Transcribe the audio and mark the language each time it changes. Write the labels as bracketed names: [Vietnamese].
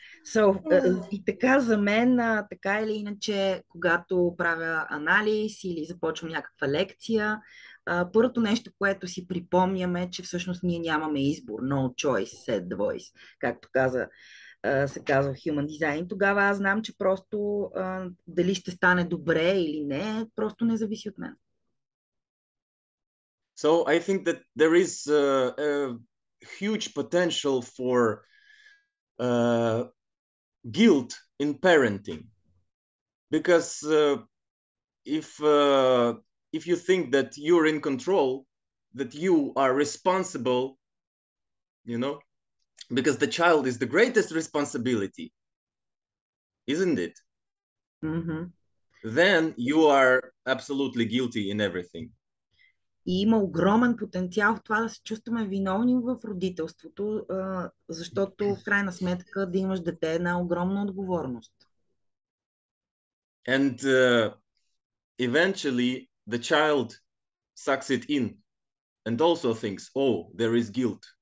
[Bulgarian] So, и така за мен, така или иначе, когато правя анализ или започвам някаква лекция, първото нещо, което си припомняме, че всъщност ние нямаме избор, [English] no choice, said voice, [Bulgarian] както каза, се казва Human Design, тогава аз знам, че просто дали ще стане добре или не, просто не зависи от мен. [English] So I think that there is a huge potential for guilt in parenting. Because if you think that you're in control, that you are responsible, you know, because the child is the greatest responsibility, isn't it? Mm-hmm. Then you are absolutely guilty in everything. [Bulgarian] И има огромен потенциал в това да се чувстваме виновни в родителството, защото в крайна сметка да имаш дете е една огромна отговорност. [English] And eventually the child sucks it in and also thinks, oh, there is guilt.